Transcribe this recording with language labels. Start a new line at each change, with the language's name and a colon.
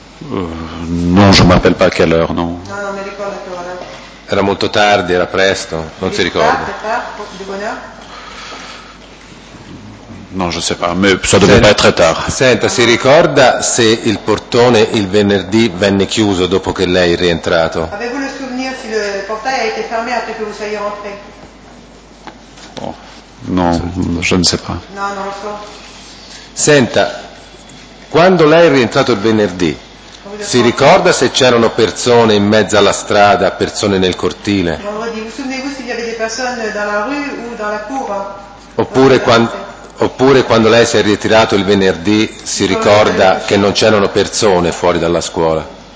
French: Non, je m'appelle pas à quelle heure, non.
Italian: No, non mi ricordo a che ora. Era molto tardi, era presto, non si ricorda.
French: Non, je sais pas, mais ça devait pas être tard.
Italian: Senta, si ricorda se il portone il venerdì venne chiuso dopo che lei è rientrato?
French: Avevo le souvenir si le portail a été fermé après que vous soyez rentré. Non, je ne sais pas.
Italian: No, non lo so. Senta, quando lei è rientrato il venerdì, si ricorda se c'erano persone in mezzo alla strada, persone nel cortile?
French: Vendredi, vous souvenez-vous s'il y avait des personnes dans la rue ou dans la cour?
Italian: Oppure quando lei si è ritirato il venerdì si ricorda che non c'erano persone fuori dalla scuola?